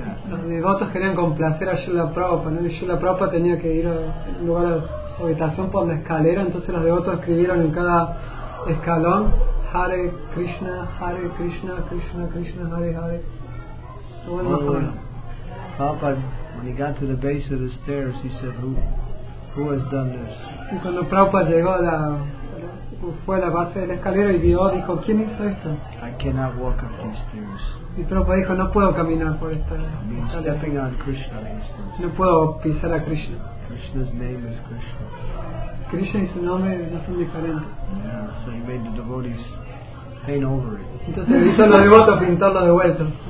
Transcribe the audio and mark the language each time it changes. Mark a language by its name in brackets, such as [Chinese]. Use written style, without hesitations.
[Spanish] Los devotos querían complacer a Srila Prabhupada, ¿no? Y Srila Prabhupada tenía que ir a un lugar a su habitación por una escalera, entonces los devotos escribieron en cada escalón [Sanskrit] Hare Krishna, Hare Krishna, Krishna Krishna, Hare Hare. [English] Prabhupada, when he got to the base of the stairs, he said, who has done this? [Spanish] Y cuando Prabhupada llegó a la, fue a la base de la escalera y vio, dijo, ¿quién hizo esto? [English] I cannot walk up these stairs. [Spanish] Y Prabhupada dijo, no puedo caminar por esta [English] escalera. Stepping on Krishna, he said. [Spanish] No puedo pisar a Krishna. [English] Krishna's name is Krishna. [Spanish] Krishna y su nombre no son diferentes. [English] Yeah, so he made the devotees paint over it. [Spanish] Entonces hizo a los devotos pintarlo de vuelta.